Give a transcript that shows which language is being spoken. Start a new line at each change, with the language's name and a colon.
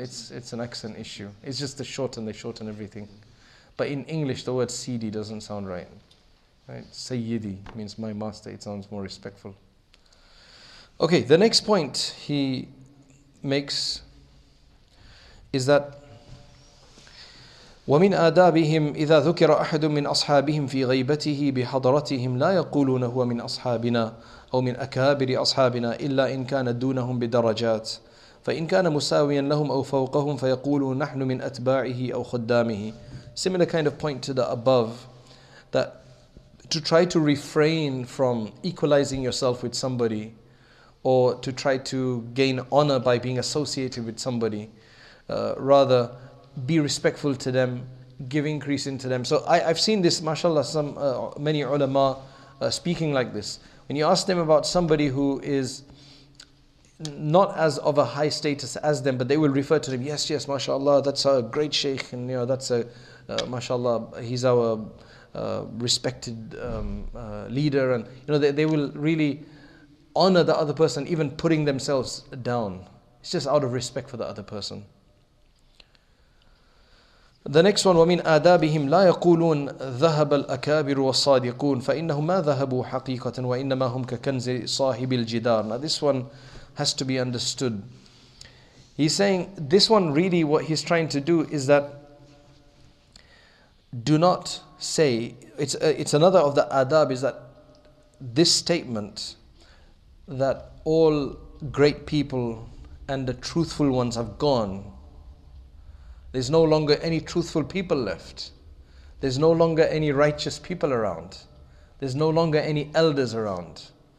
English: It's an accent issue. It's just they shorten everything. But in English, the word Sidi doesn't sound right. Right, Sayyidi means my master. It sounds more respectful. Okay, the next point he makes is that
Arabic: ومن آدابهم إذا ذكر أحد من أصحابهم في غيبته بحضرتهم لا يقولون هو من أصحابنا أو من أكابر أصحابنا إلا إن كان دونهم بدرجات فإن كان مساويا لهم أو فوقهم فيقولوا نحن من أتباعه أو خدامه.
English: Similar kind of point to the above, that to try to refrain from equalizing yourself with somebody or to try to gain honor by being associated with somebody, rather be respectful to them, give increase into them. So I've seen this, mashallah, many ulama speaking like this. When you ask them about somebody who is not as of a high status as them, but they will refer to them, yes, yes, mashallah, that's a great sheikh, and you know, that's a, mashallah, he's our respected leader, and you know, they will really honor the other person, even putting themselves down. It's just out of respect for the other person. The next one,
Arabic: وَمِنْ آدَابِهِمْ لَا يَقُولُونَ ذَهَبَ الْأَكَابِرُ وَالصَّادِقُونَ فَإِنَّهُمْ مَا ذَهَبُوا حَقِيقَةً وَإِنَّمَا هُمْ كَكَنْزِ صَاحِبِ الْجِدَارِ.
English: Now this one has to be understood. He's saying, this one really, what he's trying to do is that, do not say, it's another of the adab, is that this statement that all great people and the truthful ones have gone, there's no longer any truthful people left, there's no longer any righteous people around, there's no longer any elders around.